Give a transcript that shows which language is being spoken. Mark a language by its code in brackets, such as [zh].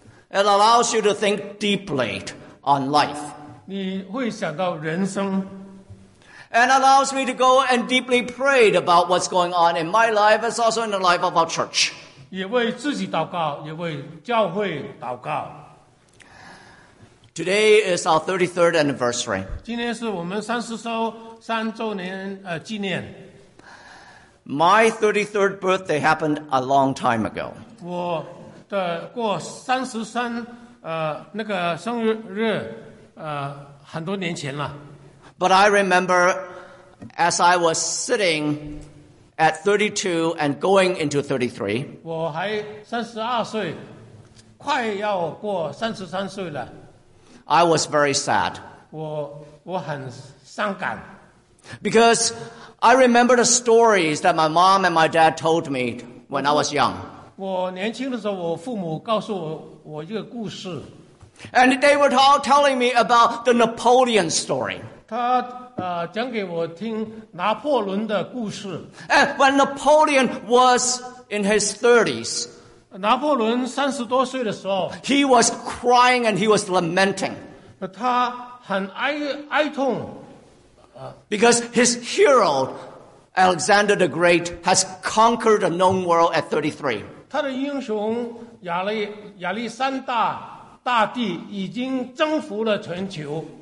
[en] It allows you to think deeply on life. [zh] 你会想到人生。 [en] And allows me to go and deeply pray about what's going on in my life, as also in the life of our church. [zh] 也为自己祷告，也为教会祷告。 [en] Today is our 33rd anniversary. [zh] 今天是我们三周年纪念。 [en] My 33rd birthday happened a long time ago. [zh] 我的过33那个生日很多年前了。 [en] But I remember as I was sitting at 32 and going into 33. [zh] 我还32岁，快要过33岁了。 [en] I was very sad. [zh] 我很伤感。 [en] Because I remember the stories that my mom and my dad told me when I was young. [zh] 我年轻的时候，我父母告诉我一个故事。 [en] And they were all telling me about the Napoleon story. [zh] 讲给我听拿破仑的故事。 [en] And when Napoleon was in his 30s, [zh] 拿破仑三十多岁的时候 [en] he was crying and he was lamenting. [zh] 他很哀痛。 [en] Because his hero, Alexander the Great, has conquered the known world at 33. [zh] 他的英雄亚历山大大帝已经征服了全球。